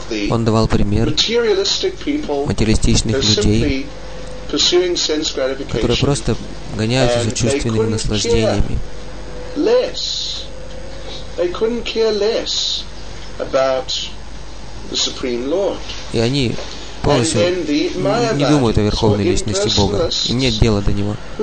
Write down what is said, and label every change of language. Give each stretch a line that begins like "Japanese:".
Russian: Он давал пример материалистичных людей, которые просто гоняются за чувственными наслаждениями.
English: They couldn't care less about the Supreme Lord.
Russian: И они полностью не думают о Верховной Личности Бога. Им нет дела до Него.